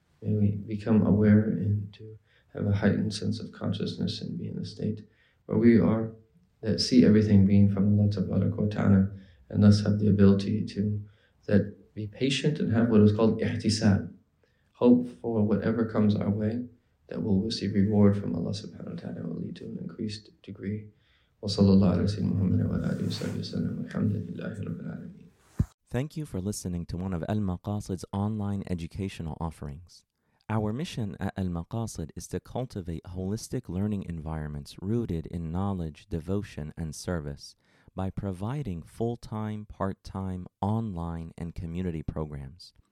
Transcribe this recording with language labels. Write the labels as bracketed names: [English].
[English] May we become aware and to have a heightened sense of consciousness and be in a state where we are, that see everything being from Allah tabarak wa ta'ala, and thus have the ability to that be patient and have what is called ihtisab, hope for whatever comes our way, that we'll receive reward from Allah subhanahu wa ta'ala and will lead to an increased degree. [Arabic] وصلى الله على سيدنا محمد وعلى آله وصحبه وسلم والحمد لله رب العالمين. [English] Thank you for listening to one of Al-Maqasid's online educational offerings. Our mission at Al-Maqasid is to cultivate holistic learning environments rooted in knowledge, devotion, and service by providing full-time, part-time, online, and community programs.